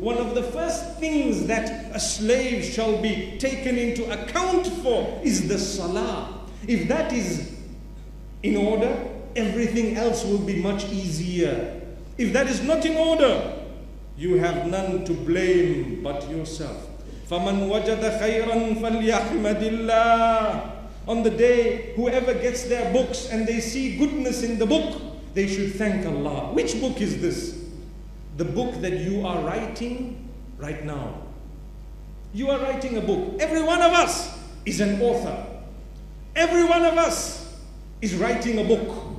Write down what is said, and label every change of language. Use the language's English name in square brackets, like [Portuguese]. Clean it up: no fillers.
[English] One of the first things that a slave shall be taken into account for is the salah. If that is in order, everything else will be much easier. If that is not in order, you have none to blame but yourself. [Arabic] فمن وجد خيرا فليحمد الله. [English] On the day, whoever gets their books and they see goodness in the book, they should thank Allah. Which book is this? The book that you are writing right now. You are writing a book. Every one of us is an author. Every one of us is writing a book.